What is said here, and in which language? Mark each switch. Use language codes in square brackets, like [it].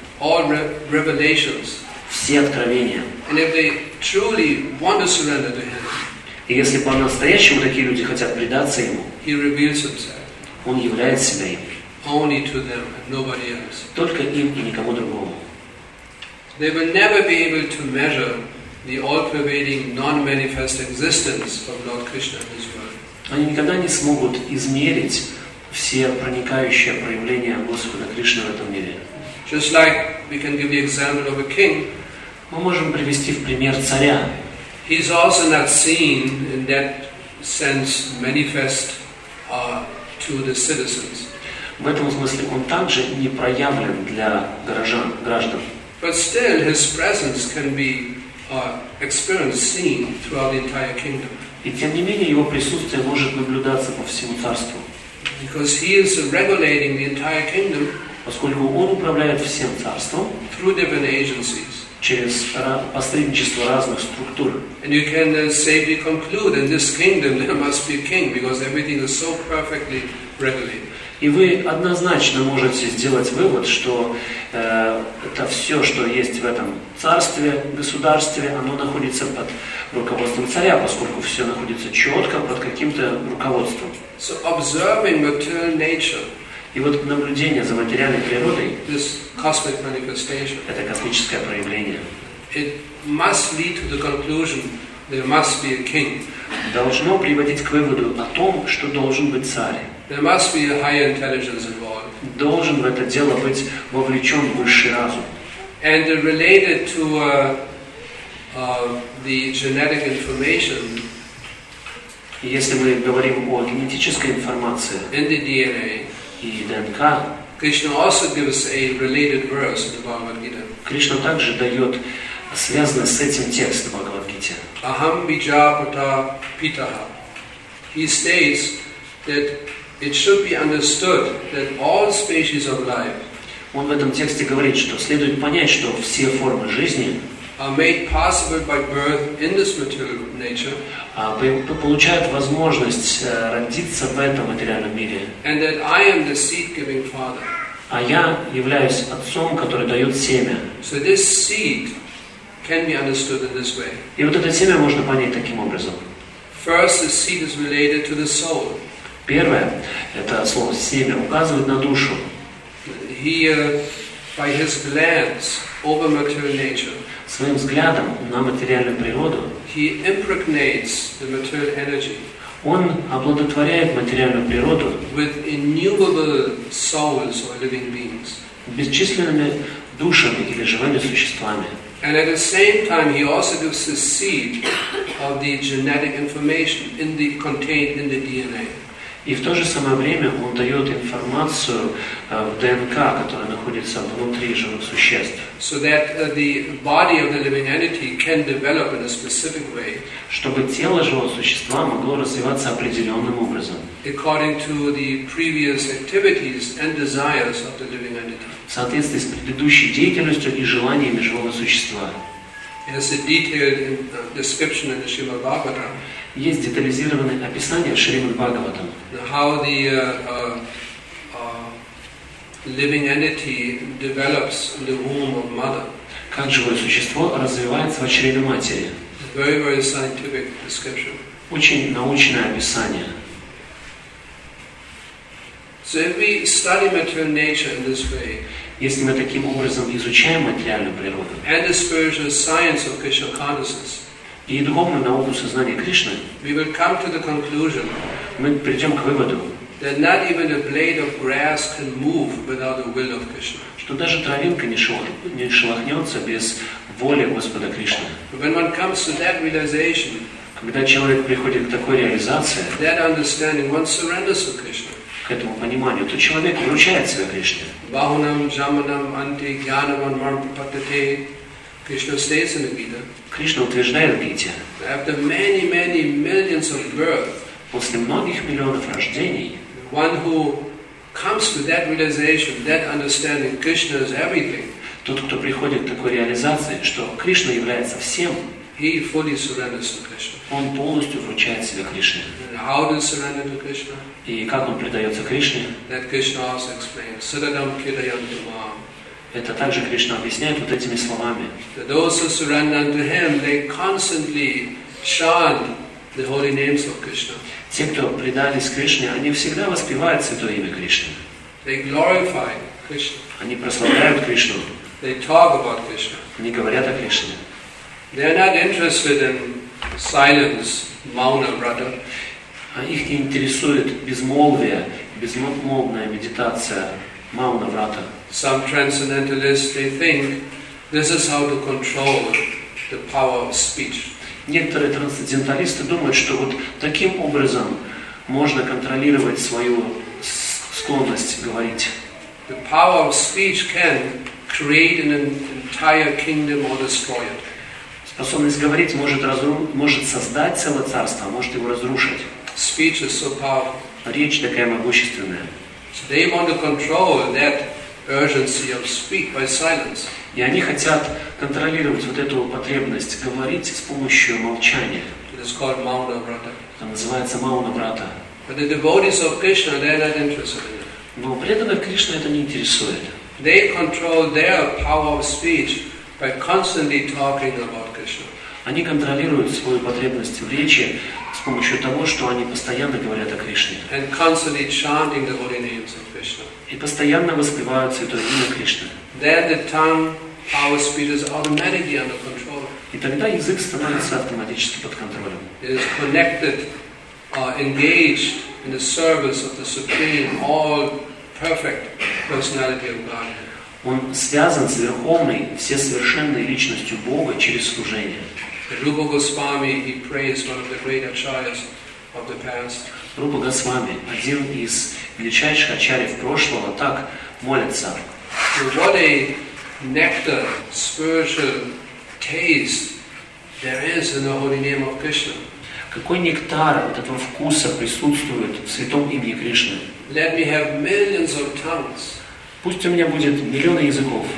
[en] All revelations. [ru] Все откровения. [en] And if they truly want to surrender to him, [ru] и если по-настоящему такие люди хотят предаться ему, [en] he reveals himself. [ru] Он являет себя им. [en] Only to them, nobody else. [ru] Только им и никому другому. [en] They will never be able to measure the all-pervading, non-manifest existence of Lord Krishna in this world. [ru] Они никогда не смогут измерить все проникающие проявления Господа Кришны в этом мире. [en] Just like we can give the example of a king. [ru] Мы можем привести в пример царя. [en] He is also not seen in that sense manifest to the citizens. [ru] В этом смысле он также не проявлен для граждан. [en] But still, his presence can be experienced, seen throughout the entire kingdom. [ru] И тем не менее его присутствие может наблюдаться по всему царству. [en] Because he is regulating the entire kingdom. [ru] Поскольку он управляет всем царством. [en] Through different agencies. [ru] Через посредничество разных структур. [en] And you can safely conclude in this kingdom there must be a king because everything is so perfectly regulated. [ru] И вы однозначно можете сделать вывод, что это все, что есть в этом царстве, государстве, оно находится под руководством царя, поскольку все находится четко под каким-то руководством. [en] So observing material nature, [ru] и вот наблюдение за материальной природой, [en] this cosmic manifestation, [ru] это космическое проявление, [en] it must lead to the conclusion there must be a king. [ru] Должно приводить к выводу о том, что должен быть царь. [en] There must be a higher intelligence involved. [ru] Должен в это дело быть вовлечен высший разум. [en] And related to the genetic information. [ru] Если мы говорим о генетической информации. [en] In the DNA. [ru] И ДНК. [en] Krishna also gives a related verse in the Bhagavad Gita. [ru] Кришна также дает связанный с этим текст в Бхагавад Гите. [sa] Aham bijapata pitaha. [en] He states that it should be understood that all species of life. [ru] Он в этом тексте говорит, что следует понять, что все формы жизни [en] are made possible by birth in this material nature. [ru] Получают возможность родиться в этом материальном мире. [en] And that I am the seed-giving father. [ru] А я являюсь отцом, который дает семя. [en] So this seed can be understood in this way. [ru] И вот это семя можно понять таким образом. [en] First, the seed is related to the soul. [ru] Первое, это слово «семя» указывает на душу. [en] He, by his glance over material nature, [ru] своим взглядом на материальную природу, [en] he impregnates the material energy, [ru] он оплодотворяет материальную природу [en] with innumerable souls or living beings, [ru] бесчисленными душами или живыми существами. [en] And at the same time, he also gives the seed of the genetic information in the, contained in the DNA. [ru] И в то же самое время он дает информацию в ДНК, которая находится внутри живых существ. [en] So that the body of the living entity can develop in a specific way. [ru] Чтобы тело живого существа могло развиваться определенным образом. [en] According to the previous activities and desires of the living entity. [ru] В соответствии с предыдущей деятельностью и желаниями живого существа. [en] As a detailed description in the Srimad Bhagavatam. [ru] Есть детализированное описание в Шримад Бхагаватам. [en] How the living entity develops in the womb of mother. [ru] Как живое существо развивается в чреве матери. [en] Very, very scientific description. [ru] Очень научное описание. [en] So if we study material nature in this way, [ru] если мы таким образом изучаем материальную природу, [en] and the spiritual science of Krishna consciousness, [ru] и духовную науку сознания Кришны, [en] we will come to the conclusion, [ru] мы придем к выводу, [en] that not even a blade of grass can move without the will of Krishna. [ru] Что даже травинка не шелохнется без воли Господа Кришны. [en] When one comes to that realization, [ru] когда человек приходит к такой реализации, [en] that understanding, one surrenders to Krishna. [ru] К этому пониманию, то человек вручает себя Кришне. [sa] Bahunam, jamanam, ante, gyanavan, marpatate. [en] Krishna states in the Gita. [ru] Кришна утверждает в Гите. [en] After many, many millions of births. [ru] После многих миллионов рождений, [en] one who comes to that realization, that understanding, Krishna is everything. [ru] Тот, кто приходит к такой реализации, что Кришна является всем, [en] he fully surrenders to Krishna. [ru] Он полностью вручает себя Кришне. [en] How does he surrender to Krishna? [ru] И как он предается Кришне? [en] That Krishna also explains. [sa] Sadanam kirayam tumam. [ru] Это также Кришна объясняет вот этими словами. [en] Those who surrender unto him, they constantly chant the holy names of Krishna. [ru] Те, кто предались Кришне, они всегда воспевают святое имя Кришны. [en] They glorify Krishna. [ru] Они прославляют Кришну. [en] They talk about Krishna. [ru] Они говорят о Кришне. [en] They are not interested in silence, mauna vrata. [ru] А их не интересует безмолвие, безмолвная медитация, mauna vrata. [en] Some transcendentalists, they think this is how to control the power of speech. [ru] Некоторые трансценденталисты думают, что вот таким образом можно контролировать свою склонность говорить. [en] The power of speech can create an entire kingdom or destroy it. [ru] Способность говорить может создать целое царство, а может его разрушить. [en] Speech is so powerful. [ru] Речь такая могущественная. [en] So they want to control that urgency of speech by silence. [ru] И они хотят контролировать вот эту потребность говорить с помощью молчания. [en] It is called mauna vrata. [ru] Это называется mauna vrata. [en] But the devotees of Krishna, they are not interested in it. [ru] Но преданных Кришны это не интересует. [en] They control their power of speech by constantly talking about Krishna. [ru] Они контролируют свою потребность в речи с помощью того, что они постоянно говорят о Кришне. [en] And constantly chanting the holy names of Krishna. [ru] И постоянно воспевают святое имя Кришны. [en] Then the tongue, power, speech is automatically under control. [ru] И тогда язык становится автоматически под контролем. [en] It is connected, engaged in the service of the supreme, all perfect personality of God. [ru] Он связан с верховной, всесовершенной личностью Бога через служение. [en] Rupa Goswami, he praised one of the great acharyas of the past. [ru] Rupa Goswami, один из величайших ачарьев прошлого, так молится. [en] What a nectar, spiritual taste there is in the holy name of Krishna. [ru] Какой нектар от этого вкуса присутствует в святом имени Кришны? [en] Let me have millions of tongues. [ru] Пусть у меня будет миллионы языков